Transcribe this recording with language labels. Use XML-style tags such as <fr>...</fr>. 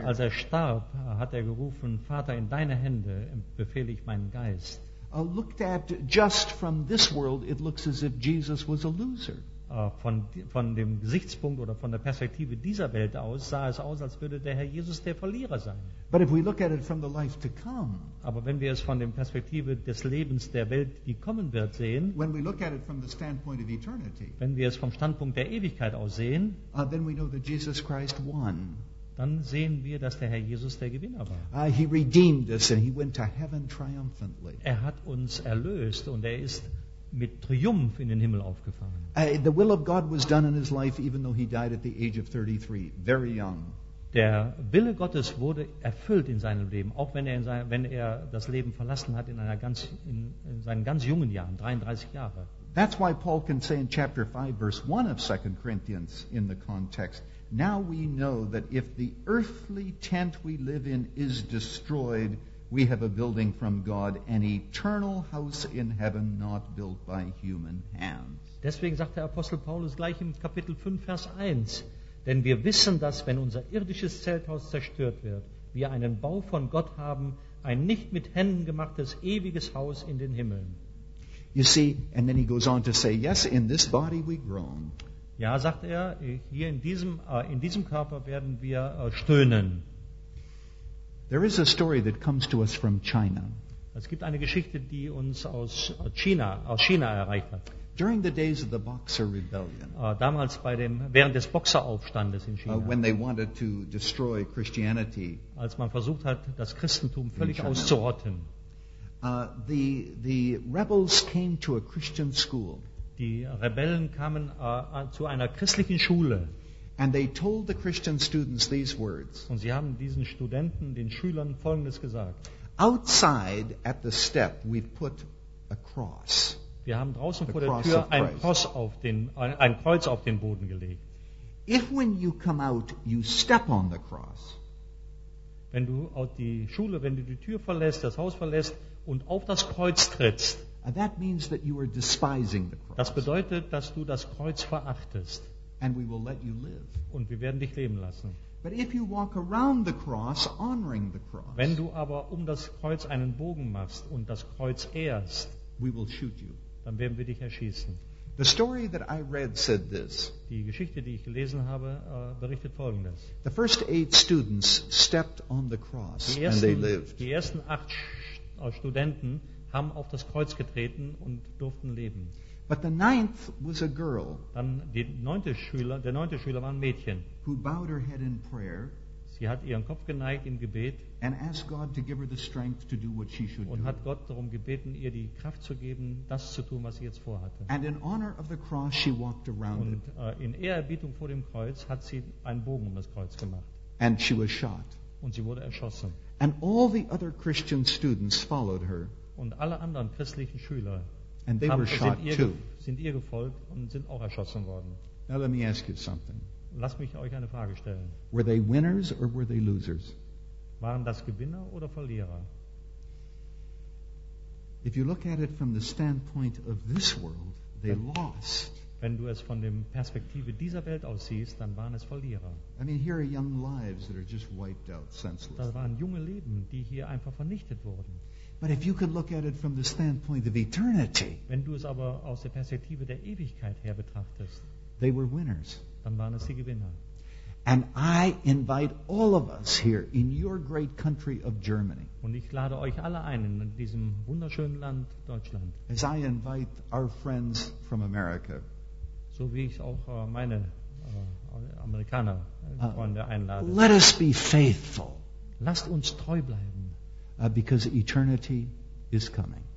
<de>Und als er starb, hat er gerufen, Vater, in deine Hände befehle ich meinen Geist.</de> <en>Looked at just from this world, it looks as if Jesus was a loser.</en> <de>Von dem Gesichtspunkt oder von der Perspektive dieser Welt aus sah es aus, als würde der Herr Jesus der Verlierer sein.</de> <en>But if we look at it from the life to come,</en> <de>aber wenn wir es von der Perspektive des Lebens der Welt, die kommen wird, sehen,</de> <en>when we look at it from the standpoint of eternity,</en> <de>wenn wir es vom Standpunkt der Ewigkeit aus sehen,</de> <en>then we know that Jesus Christ won.</en> <de>Dann sehen wir, dass der Herr Jesus der Gewinner war.</de> <en>He redeemed us and he went to heaven triumphantly.</en> <de>Er hat uns erlöst und er ist mit Triumph in den Himmel aufgefahren.</de> <en>The will of God was done in his life, even though he died at the age of 33, very young.</en> <de>Der Wille Gottes wurde erfüllt in seinem Leben, auch wenn er das Leben verlassen hat in seinen ganz jungen Jahren, 33 Jahre.</de> <en>That's why Paul can say in chapter 5, verse 1 of 2 Corinthians in the context, now we know that if the earthly tent we live in is destroyed, we have a building from God, an eternal house in heaven not built by human hands.</en> <de>Deswegen sagt der Apostel Paulus gleich im Kapitel 5, Vers 1, denn wir wissen, dass wenn unser irdisches Zelthaus zerstört wird, wir einen Bau von Gott haben, ein nicht mit Händen gemachtes ewiges Haus in den Himmeln.</de> <en>You see, and then he goes on to say, yes, in this body we groan.</en> <de>Ja, sagt er, hier in diesem Körper werden wir stöhnen.</de> <en>There is a story that comes to us from China.</en> <de>Es gibt eine Geschichte, die uns aus China erreicht hat.</de> <en>During the days of the Boxer Rebellion.</en> <de>Damals während des Boxeraufstandes in China.</de> <en>When they wanted to destroy Christianity.</en> <de>Als man versucht hat, das Christentum völlig auszurotten.</de> <en>The rebels came to a Christian school.</en> <de>Die Rebellen kamen zu einer christlichen Schule.</de> <en>And they told the Christian students these words.</en> <de>Und sie haben diesen Studenten, den Schülern Folgendes gesagt.</de> <en>Outside at the step we've put a cross.</en> <de>Wir haben draußen vor der Tür ein Kreuz auf den Boden gelegt.</de> <en>If when you come out you step on the cross.</en> <de>Wenn du aus die Schule, wenn du die Tür verlässt, das Haus verlässt und auf das Kreuz trittst.</de> <en>That means that you are despising the cross.</en> <de>Das bedeutet, dass du das Kreuz verachtest.</de> <en>And we will let you live.</en> <de>Und wir werden dich leben lassen.</de> <en>But if you walk around the cross, honoring the cross.</en> <de>Wenn du aber das Kreuz einen Bogen machst und das Kreuz ehrst,</de> <en>we will shoot you.</en> <de>Dann werden wir dich erschießen.</de> <en>The story that I read said this.</en> <de>Die Geschichte, die ich gelesen habe, berichtet Folgendes.</de> <en>The first eight students stepped on the cross and they lived.</en> <de>Die ersten acht Studenten haben auf das Kreuz getreten und durften leben.</de> <en>But the ninth was a girl.</en> <de>Dann der neunte Schüler war ein Mädchen.</de> <en>Who bowed her head in prayer.</en> <de>Sie hat ihren Kopf geneigt im Gebet.</de> <en>And asked God to give her the strength to do what she should do.</en> <de>Und hat Gott darum gebeten, ihr die Kraft zu geben, das zu tun, was sie jetzt vorhatte.</de> <en>And in honor of the cross she walked around it.</en> <de>Und in Ehrerbietung vor dem Kreuz hat sie einen Bogen um das Kreuz gemacht.</de> <en>And she was shot.</en> <de>Und sie wurde erschossen.</de> <en>And all the other Christian students followed her.</en> <de>Und alle anderen christlichen Schüler</de> <en>and they were shot too.</en> <de>Sind ihr gefolgt und sind auch erschossen worden.</de> <en>Now let me ask you something.</en> <de>Lass mich euch eine Frage stellen.</de> <en>Were they winners or were they losers?</en> <de>Waren das Gewinner oder Verlierer?</de> <en>If you look at it from the standpoint of this world, they lost.</en> <de>Wenn du es von der Perspektive dieser Welt aus siehst, dann waren es Verlierer.</de> <en>I mean, here are young lives that are just wiped out senselessly.</en> <de>Das waren junge Leben, die hier einfach vernichtet wurden.</de> <en>But if you can look at it from the standpoint of eternity,</en> <de>wenn du es aber aus der Perspektive der Ewigkeit her betrachtest,</de> <en>they were winners.</en> <de>Dann waren es die Gewinner.</de> <en>And I invite all of us here in your great country of Germany.</en> <de>Und ich lade euch alle ein in diesem wunderschönen Land Deutschland.</de> <en>As I invite our friends from America.</en> <de>So wie ich auch meine Amerikaner Freunde einlade.</de> <en>Let us be faithful.</en> <de>Lasst uns treu bleiben.</de> <en>Because eternity is coming.</en>